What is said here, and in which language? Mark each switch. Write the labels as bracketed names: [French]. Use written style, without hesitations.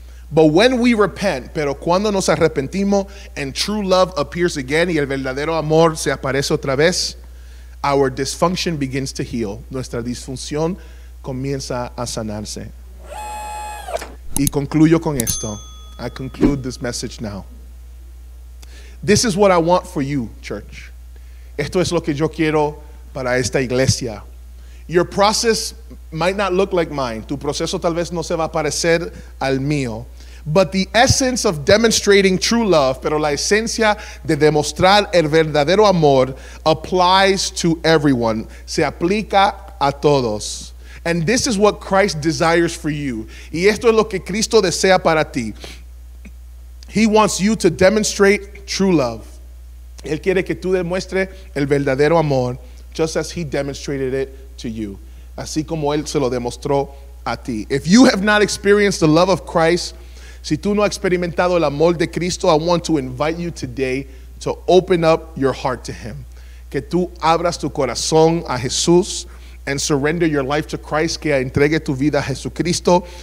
[English] But when we repent, [Spanish] pero cuando nos arrepentimos, [English] and true love appears again, [Spanish] y el verdadero amor se aparece otra vez, [English] our dysfunction begins to heal. [Spanish] Nuestra disfunción comienza a sanarse. Y concluyo con esto. [English] I conclude this message now. This is what I want for you, church. [Spanish] Esto es lo que yo quiero para esta iglesia. [English] Your process might not look like mine. [Spanish] Tu proceso tal vez no se va a parecer al mío. [English] But the essence of demonstrating true love, [Spanish] pero la esencia de demostrar el verdadero amor, [English] applies to everyone. [Spanish] Se aplica a todos. [English] And this is what Christ desires for you. [Spanish] Y esto es lo que Cristo desea para ti. [English] He wants you to demonstrate true love. [Spanish] Él quiere que tú demuestres el verdadero amor, [English] just as he demonstrated it to you. [Spanish] Así como él se lo demostró a ti. [English] If you have not experienced the love of Christ, [Spanish] si tú no has experimentado el amor de Cristo, [English] I want to invite you today to open up your heart to him. [Spanish] Que tú abras tu corazón a Jesús [English] and surrender your life to Christ, [Spanish] que entregue tu vida a Jesucristo.